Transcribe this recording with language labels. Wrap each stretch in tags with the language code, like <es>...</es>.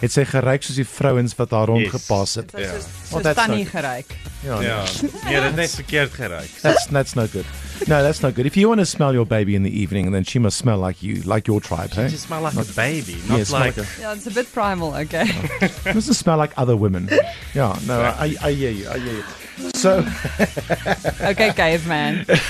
<af>Het sy geryk soos die vrouens wat haar rondgepas het. Yeah. Soos tannie geryk. Yeah, dit het net verkeerd geryk.</af> <en>That's not good. No, that's not good. If you want to smell your baby in the evening, then she must smell like you, like your tribe, she just smell like not, a baby, not yeah, like... Yeah, it's a bit primal, okay. She must smell like other women. Yeah, no, I hear you, So... Okay, caveman.</en>